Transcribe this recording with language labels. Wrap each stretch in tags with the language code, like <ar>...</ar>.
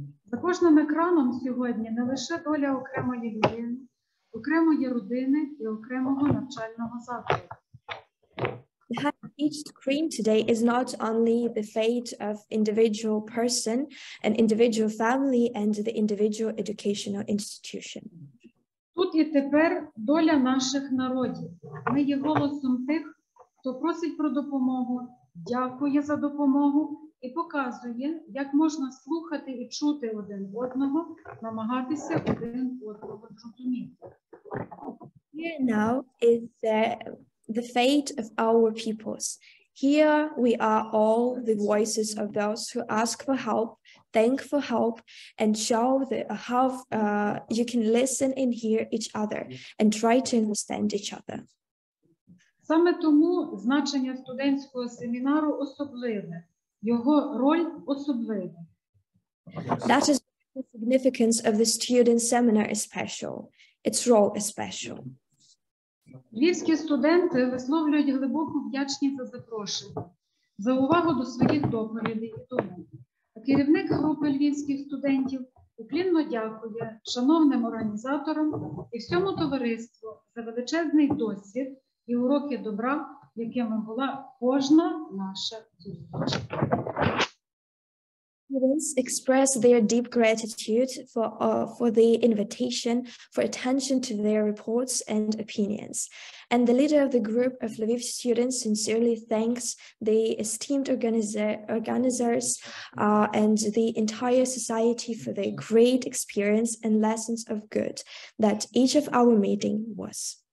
<uk>За кожним екраном сьогодні не лише доля окремої людини, окремої родини і окремого навчального закладу.</uk> <en>Behind each screen today is not only the fate of individual person, an individual family, and the individual educational institution.</en> <uk>Тут і тепер доля наших народів. Ми є голосом тих, хто просить про допомогу, дякує за допомогу і показує, як можна слухати і чути один одного, намагатися один одного зрозуміти.</uk> <en>Here now is the fate of our peoples. Here we are all the voices of those who ask for help, thank for help, and show that how you can listen and hear each other and try to understand each other.</en> <uk>Саме тому значення студентського семінару особливе, його роль особлива.</uk> <en>That is the significance of the student seminar is special, its role is special.</en> <uk>Львівські студенти висловлюють глибоку вдячність за запрошення, за увагу до своїх доповідей і думок. А керівник групи львівських студентів уклінно дякує шановним організаторам і всьому товариству за величезний досвід і уроки добра, якими була кожна наша зустріч.</uk> <en>Students express their deep gratitude for the invitation, for attention to their reports and opinions. And the leader of the group of Lviv students sincerely thanks the esteemed organizers and the entire society for their great experience and lessons of good that each of our meeting was.</en>